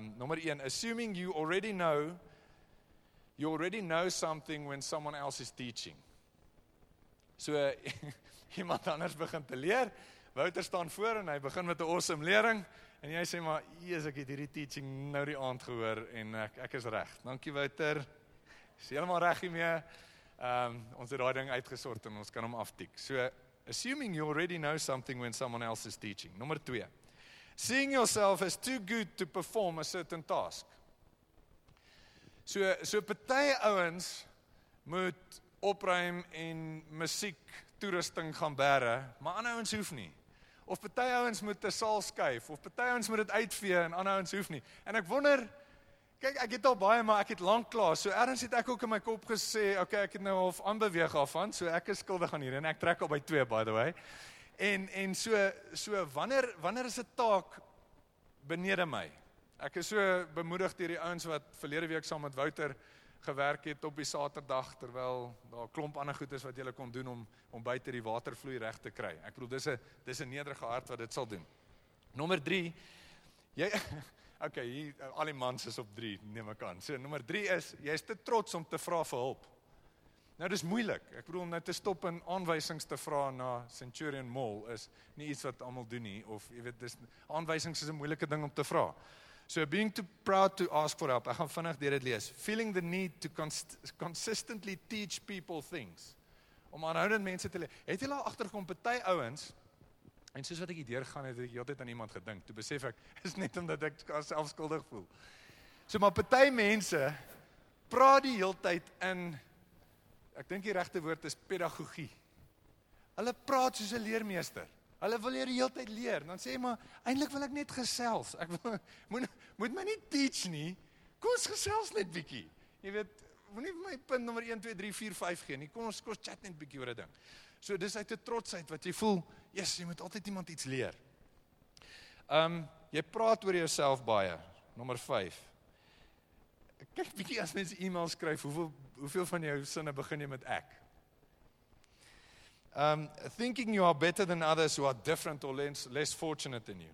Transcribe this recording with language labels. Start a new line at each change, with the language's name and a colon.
English: Nommer 1, assuming you already know something when someone else is teaching.
Afrikaans: So iemand anders begin te leer. Wouter staan voor en hy begin met 'n awesome lering en jy sê maar, "Jesus, ek het hierdie teaching nou die aand gehoor en ek is reg." Dankie Wouter. Is heeltemal reg hiermee. Ons het daai ding uitgesort en ons kan hom aftik.
English: So, assuming you already know something when someone else is teaching. Nommer 2. Seeing yourself as too good to perform a certain task.
Afrikaans: So party ouens moet opruim en musiek toerusting gaan bære, maar ander ouens hoef nie. Of party ouens moet 'n saal skuif, of party ouens moet dit uitvee en ander ouens hoef nie. En ek wonder, kyk, ek het al baie, maar ek het lank klaar. So ergens het ek ook in my kop gesê, okay, ek het nou half aanbeweeg af van, so ek is skuldig aan hierdie en ek trek op by 2
English: by the way.
Afrikaans: En so wanneer is 'n taak benede my? Ek is so bemoedig deur die ouens wat verlede week saam met Wouter gewerk het op die Saterdag terwyl daar 'n klomp ander goedes wat jy kan doen om buite die watervloei reg te kry. Ek bedoel dis 'n nederige hart wat dit sal doen. Nommer 3. Jy okay, hier al die mans is op 3, neem ek aan. So nommer 3 is jy's te trots om te vra vir hulp. Nou dis moeilik. Ek bedoel om nou te stop en aanwysings te vra na Centurion Mall is nie iets wat almal doen nie of jy weet dis aanwysings is 'n moeilike ding om te vra.
English: So being too proud to ask for help.
Afrikaans: Ek gaan vinnig deur dit lees.
English: Feeling the need to consistently teach people things.
Afrikaans: Om aanhoudend mense te leer. Het jy al agtergekom party ouens en soos wat ek hierdeur gaan het ek heeltyd aan iemand gedink. Toe besef ek is net omdat ek myself skuldig voel. So maar party mense praat die heeltyd in ek dink die regte woord is pedagogie. Hulle praat soos 'n leermeester. Hulle wil hier die hele tyd leer. Dan sê jy maar, eintlik wil ek net gesels. Ek wil, moet my nie teach nie. Kom ons gesels net bietjie. Jy weet, moenie vir my punt nommer 1, 2, 3, 4, 5 gee nie. Kom ons chat net bietjie oor 'n ding. So dis uit 'n trotsheid wat jy voel, yes, jy moet altyd iemand iets leer. Jy praat oor jouself baie. Nommer 5. Kyk bietjie as mens e-mail skryf, hoeveel van jou sinne begin jy met ek?
English: Thinking you are better than others who are different or less fortunate than you.